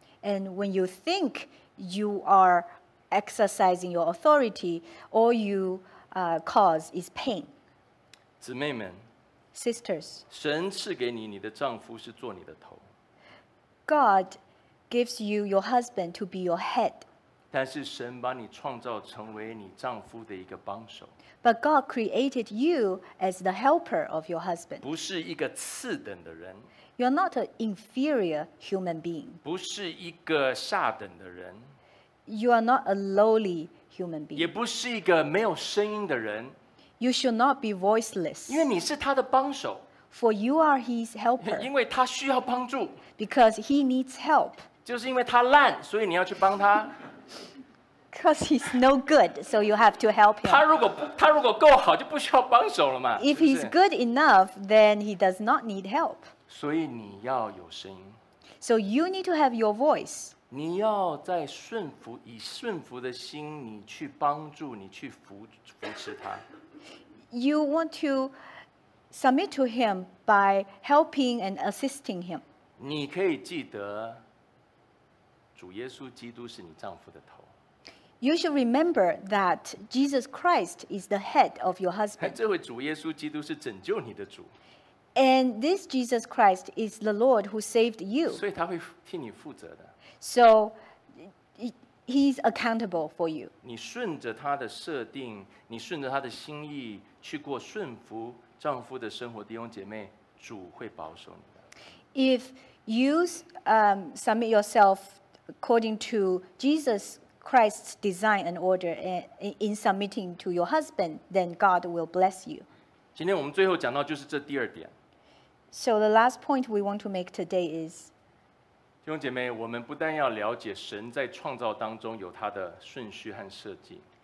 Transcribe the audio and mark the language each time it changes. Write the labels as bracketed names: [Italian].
[English] And when you think you areexercising your authority, all you cause is pain. [Chinese] 姊妹们， [English] sisters, [Chinese] 神赐给你，你的丈夫是做你的头。 [English] God gives you your husband to be your head. [Chinese] 但是神把你创造成为你丈夫的一个帮手。 [English] But God created you as the helper of your husband. [Chinese] 不是一个次等的人。 [English] You're not an inferior human being. [Chinese] 不是一个下等的人。 [English] You are not a lowly human being. [Chinese] 也不是一个没有声音的人。 [English] You should not be voiceless. [Chinese] 因为你是他的帮手。 [English] For you are his helper. [Chinese] 因为他需要帮助。 [English] Because he needs help. [Chinese] 就是因为他烂，所以你要去帮他。 [English] Because he's no good, so you have to help him. [Chinese] 他如果够好，就不需要帮手了嘛。 [English] If he's good enough, then he does not need help. [Chinese] 所以你要有声音。 [English] So you need to have your voice. [Chinese] 你要在顺服，以顺服的心，你去帮助，你去扶持他。 [English] You want to submit to him by helping and assisting him. [Chinese] 你可以记得主耶稣基督是你丈夫的头。 [English] You should remember that Jesus Christ is the head of your husband. [Chinese] 这位主耶稣基督是拯救你的主。 [English] And this Jesus Christ is the Lord who saved you. [Chinese] 所以他会替你负责的。 [English] So he's accountable for you. [Chinese] 你顺着他的设定，你顺着他的心意去过顺服丈夫的生活，弟兄姐妹，主会保守你的。 [English] If you submit yourself according to Jesus Christ's design and order in submitting to your husband, then God will bless you. [Chinese] 今天我们最后讲到就是这第二点。 [English] So the last point we want to make today is, [Chinese] 弟兄姐妹，我们不但要了解神在创造当中有他的顺序和设计。